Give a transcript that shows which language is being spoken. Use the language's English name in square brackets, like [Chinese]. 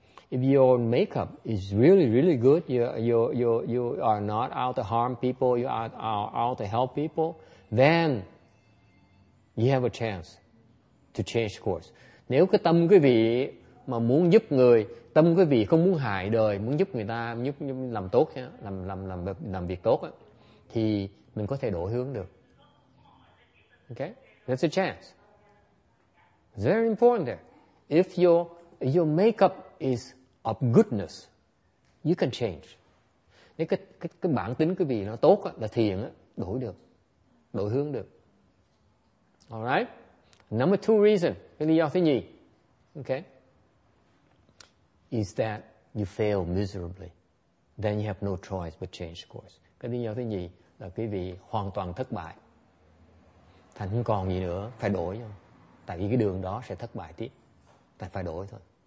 [English] If your makeup is really really good, you are not out to harm people, you are out to help people, then you have a chance to change course. [Vietnamese] Nếu cái tâm quý vị mà muốn giúp người, tâm quý vị không muốn hại đời, muốn giúp người ta, giúp làm tốt, làm việc tốt, thì mình có thể đổi hướng được. [English] Okay, that's a chance. It's very important there. If your makeup is of goodness, you can change. [Vietnamese] Nếu cái bản tính quý vị nó tốt là thiện, đổi được, đổi hướng được. All right. [English] Number two reason, [Vietnamese] cái lý do thứ nhì. [English] Okay. Is that you fail miserably, then you have no choice but change course. [Vietnamese] Cái lý do thứ nhì là quý vị hoàn toàn thất bại, thành không còn gì nữa, phải đổi thôi. Tại vì cái đường đó sẽ thất bại tiếp, tại phải đổi thôi.